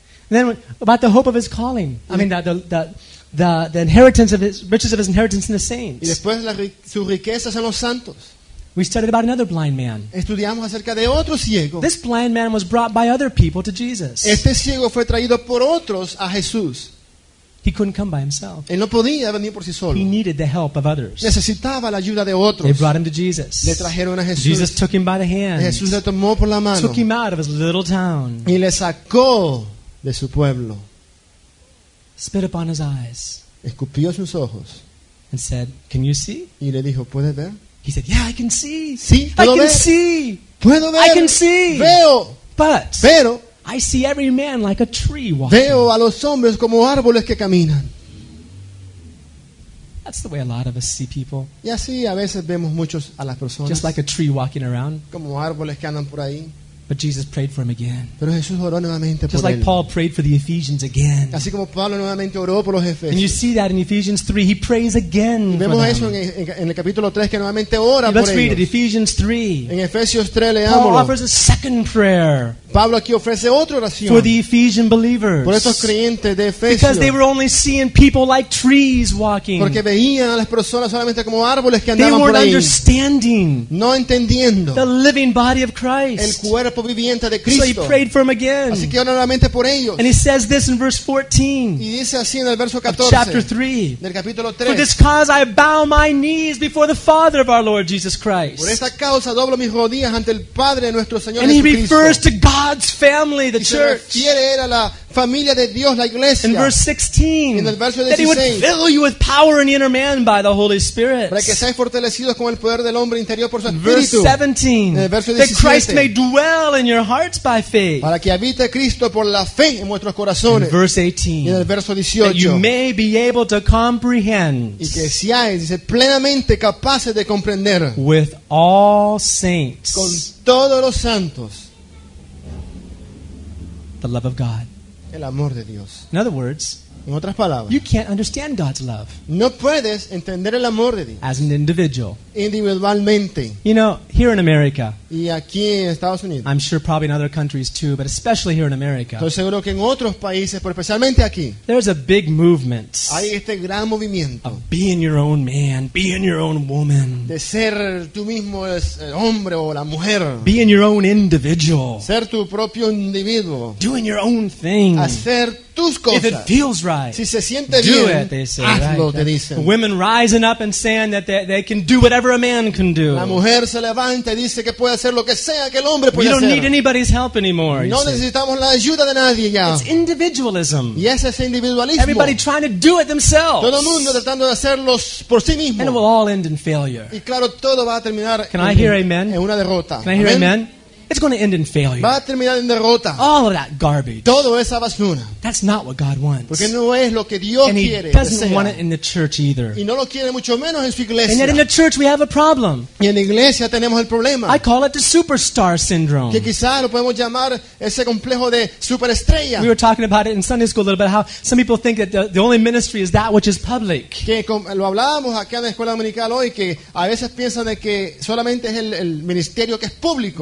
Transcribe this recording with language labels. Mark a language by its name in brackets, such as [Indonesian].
[English] And then about the hope of his calling. Yeah. I mean the inheritance of his riches of his inheritance in the saints. [Spanish] Y después sus riquezas en los santos. [English] We studied about another blind man. [Spanish] Estudiamos acerca de otro ciego. [English] This blind man was brought by other people to Jesus. [Spanish] Este ciego fue traído por otros a Jesús. [English] He couldn't come by himself. [Spanish] Él no podía venir por sí solo. [English] He needed the help of others. [Spanish] Necesitaba la ayuda de otros. [English] They brought him to Jesus. [Spanish] Le trajeron a Jesús. [English] Jesus took him by the hand. [Spanish] Jesús le tomó por la mano. [English] Took him out of his little town. [Spanish] Y le sacó de su pueblo. [English] Spit upon his eyes. [Spanish] Escupió sus ojos. [English] And said, "Can you see?" [Spanish] Y le dijo, "¿Puedes ver?" [English] He said, "Yeah, I can see. [Spanish] Sí, puedo [English] I can [Spanish] ver. [English] See. [Spanish] Puedo ver. [English] I can see. [Spanish] Veo. [English] But [Spanish] Pero, [English] I see every man like a tree walking. [Spanish] Veo a los hombres como árboles que caminan." [English] That's the way a lot of us see people. [Spanish] Y así a veces vemos muchos a las personas. [English] Just like a tree walking around. [Spanish] Como árboles que andan por ahí. [English] But Jesus prayed for him again. [Spanish] Pero Jesús oró nuevamente [English] Just [Spanish] por [English] like [Spanish] él. [English] Paul prayed for the Ephesians again. [Spanish] Así como Pablo nuevamente oró por los Efesios. [English] And you see that in Ephesians 3, he prays again. [Spanish] Y vemos [English] for them. [Spanish] Eso en el capítulo 3 que nuevamente ora [English] let's [Spanish] por [English] read [Spanish] ellos. [English] It, Ephesians 3. [Spanish] En Efesios 3 leámoslo. [English] Paul offers a second prayer. [Spanish] Pablo aquí ofrece otra oración. [English] For the Ephesian believers. [Spanish] Por estos creyentes de Efesios. [English] Because they were only seeing people like trees walking. [Spanish] Porque veían a las personas solamente como árboles que andaban [English] they weren't [Spanish] por ahí. [English] Understanding [Spanish] no entendiendo. [English] The living body of Christ. [Spanish] El cuerpo viviente de [English] Cristo. So he prayed for him again. [Spanish] Así que oró nuevamente por ellos. [English] And he says this in verse 14. [Spanish] Y dice así en el verso 14 [English] of chapter 3. [Spanish] Del capítulo 3. [English] For this cause I bow my knees before the Father of our Lord Jesus Christ. [Spanish] Por esta causa doblo mis rodillas ante el Padre de nuestro Señor [English] and [Spanish] Jesucristo. [English] And he refers to God's family, the [Spanish] y [English] church. [Spanish] Se refiere a la familia de Dios, la iglesia. [English] In verse 16. [Spanish] En el verso 16. [English] That he would fill you with power in the inner man by the Holy Spirit. [Spanish] Para que seáis fortalecidos con el poder del hombre interior por su espíritu. [English] Verse 17. [Spanish] En el verso [English] 17. That Christ may dwell in your hearts by faith. [Spanish] Para que habite Cristo por la fe en vuestros corazones. [English] In verse 18. [Spanish] Y en el verso 18. [English] That you may be able to comprehend. [Spanish] Y que seáis, dice, plenamente capaces de comprender. [English] With all saints. [Spanish] Con todos los santos. [English] The love of God. [Spanish] El amor de Dios. [English] In other words. [Spanish] En otras palabras, [English] you can't understand God's love. [Spanish] No puedes entender el amor de Dios. [English] As an individual. [Spanish] Individualmente. [English] You know, here in America. [Spanish] Y aquí en Estados Unidos. [English] I'm sure probably in other countries too, but especially here in America. [Spanish] Estoy seguro que en otros países, pero especialmente aquí. [English] There's a big movement. [Spanish] Hay este gran movimiento. [English] Of being your own man, being your own woman. [Spanish] De ser tú mismo el hombre o la mujer. [English] Being your own individual. [Spanish] Ser tu propio individuo. [English] Doing your own thing. [Spanish] Hacer tus cosas. [English] If it feels right, [Spanish] si se siente [English] do [Spanish] bien, [English] it, they say. [Spanish] Hazlo, [English] right? [Spanish] Te dicen. [English] Women rising up and saying that they can do whatever a man can do. [Spanish] La mujer se levanta y dice que puede hacer lo que sea que el hombre puede [English] you don't [Spanish] hacer. [English] Need anybody's help anymore. [Spanish] No necesitamos la ayuda de nadie ya. [English] It's individualism. [Spanish] Y ese es individualismo. [English] Everybody trying to do it themselves. [Spanish] Todo mundo tratando de hacerlo por sí mismo. [English] And it will all end in failure. [Spanish] Y claro, todo va a terminar [English] can I hear amen? [Spanish] En una derrota. [English] Can I hear amen? It's going to end in failure. [Spanish] Va a terminar en derrota. [English] All of that garbage. [Spanish] Todo esa basura. [English] That's not what God wants. [Spanish] Porque no es lo que Dios [English] and he [Spanish] quiere, [English] doesn't [Spanish] desea. [English] Want it in the church either. [Spanish] Y no lo quiere mucho menos en su iglesia. [English] And yet in the church we have a problem. [Spanish] Y en la iglesia tenemos el problema. [English] I call it the superstar syndrome. [Spanish] Que quizá lo podemos llamar ese complejo de superestrella. [English] We were talking about it in Sunday school a little bit, how some people think that the only ministry is that which is public. [Spanish] Que lo hablábamos aquí en la escuela dominical hoy, que a veces piensan de que solamente es el ministerio que es público.